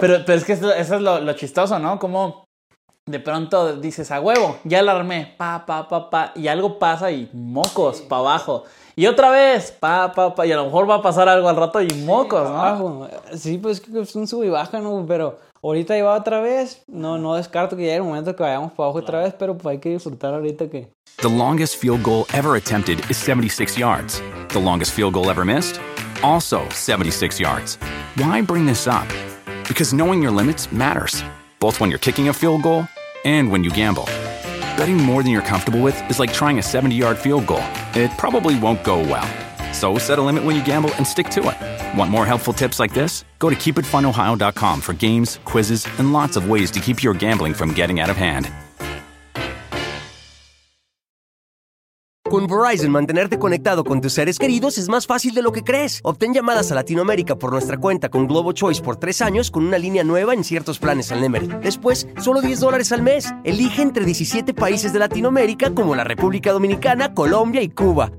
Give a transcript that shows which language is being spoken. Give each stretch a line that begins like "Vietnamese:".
Spanish: Pero es que eso es lo chistoso, ¿no? Como de pronto dices, a huevo, ya la armé. Pa, pa, pa, pa. Y algo pasa y mocos, sí. Para abajo. Y otra vez, pa, pa, pa. Y a lo mejor va a pasar algo al rato y mocos, sí, ¿no? Abajo. Sí, pues es un sub y baja, ¿no? Pero ahorita iba otra vez. No descarto que llegue el momento que vayamos para abajo otra vez. Pero pues hay que disfrutar ahorita que...
English: The longest field goal ever attempted is 76 yards. The longest field goal ever missed... Also 76 yards. Why bring this up? Because knowing your limits matters, both when you're kicking a field goal and when you gamble. Betting more than you're comfortable with is like trying a 70-yard field goal. It probably won't go well. So set a limit when you gamble and stick to it. Want more helpful tips like this? Go to keepitfunohio.com for games, quizzes, and lots of ways to keep your gambling from getting out of hand.
Spanish: con Verizon, mantenerte conectado con tus seres queridos es más fácil de lo que crees. Obtén llamadas a Latinoamérica por nuestra cuenta con Globo Choice por 3 años con una línea nueva en ciertos planes al Unlimited. Después, solo $10 al mes. Elige entre 17 países de Latinoamérica como la República Dominicana, Colombia y Cuba.